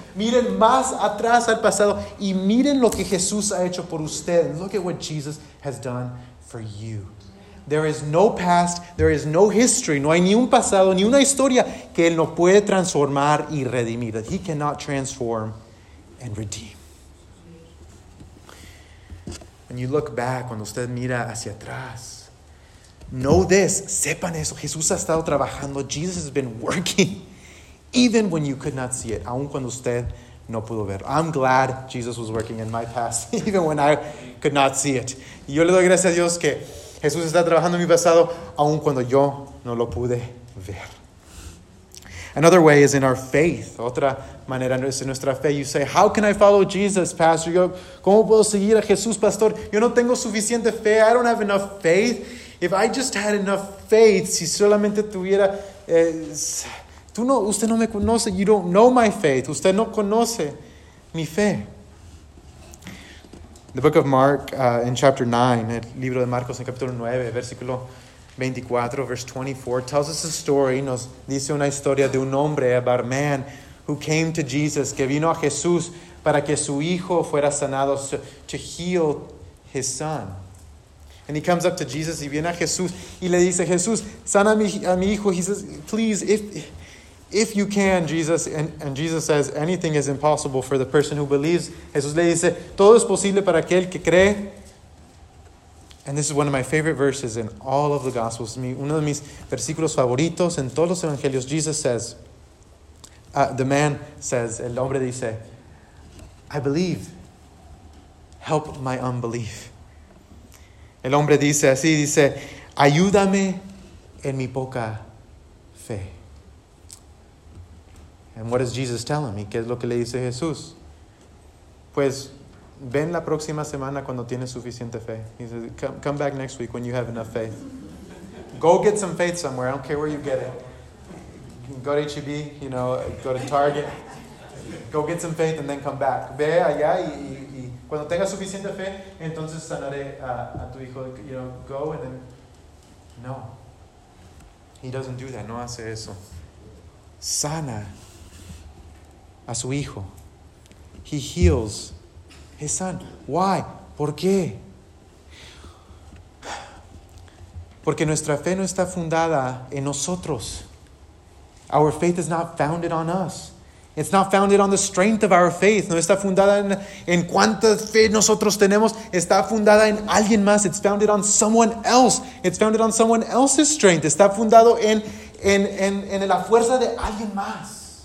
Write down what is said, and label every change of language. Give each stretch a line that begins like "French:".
Spanish: Miren más atrás al pasado y miren lo que Jesús ha hecho por usted.
English: Look at what Jesus has done for you. There is no past, there is no history.
Spanish: No hay ni un pasado, ni una historia que Él no puede transformar y redimir.
English: That He cannot transform and redeem. When you look back,
Spanish: cuando usted mira hacia atrás,
English: know this,
Spanish: sepan eso, Jesús ha estado trabajando,
English: Jesus has been working, even when you could not see it,
Spanish: aun cuando usted no pudo ver.
English: I'm glad Jesus was working in my past, even when I could not see it.
Spanish: Y yo le doy gracias a Dios que Jesús está trabajando en mi pasado, aun cuando yo no lo pude ver.
English: Another way is in our faith.
Spanish: Otra manera es en nuestra fe.
English: You say, how can I follow Jesus, Pastor?
Spanish: Yo, ¿cómo puedo seguir a Jesús, Pastor? Yo no tengo suficiente fe,
English: I don't have enough faith. If I just had enough faith,
Spanish: si solamente tuviera, usted no me conoce,
English: you don't know my faith,
Spanish: usted no conoce mi fe.
English: The book of Mark, in chapter 9,
Spanish: el libro de Marcos en capítulo 9, versículo 24,
English: verse 24, tells us a story,
Spanish: nos dice una historia de un hombre,
English: a barman, who came to Jesus,
Spanish: que vino a Jesús para que su hijo fuera sanado,
English: to heal his son. And he comes up to Jesus,
Spanish: y viene a Jesús, y le dice, Jesús, sana a mi hijo.
English: He says, please, if you can, Jesus, and Jesus says, anything is impossible for the person who believes.
Spanish: Jesús le dice, todo es posible para aquel que cree.
English: And this is one of my favorite verses in all of the Gospels.
Spanish: Uno de mis versículos favoritos en todos los evangelios.
English: Jesus says, the man says,
Spanish: el hombre dice,
English: I believe, help my unbelief.
Spanish: El hombre dice así, dice, ayúdame en mi poca fe.
English: And what does Jesus tell him?
Spanish: ¿Qué es lo que le dice Jesús? Pues, ven la próxima semana cuando tienes suficiente fe.
English: He says, come back next week when you have enough faith. Go get some faith somewhere. I don't care where you get it. Go to HEB, you know, go to Target. Go get some faith and then come back.
Spanish: Ve allá y cuando tengas suficiente fe, entonces sanaré a tu hijo.
English: You know, go and then... No. He doesn't do that.
Spanish: No hace eso. Sana a su hijo.
English: He heals his son. Why?
Spanish: ¿Por qué? Porque nuestra fe no está fundada en nosotros.
English: Our faith is not founded on us. It's not founded on the strength of our faith.
Spanish: No está fundada en cuánta fe nosotros tenemos. Está fundada en alguien más.
English: It's founded on someone else. It's founded on someone else's strength.
Spanish: Está fundado en la fuerza de alguien más.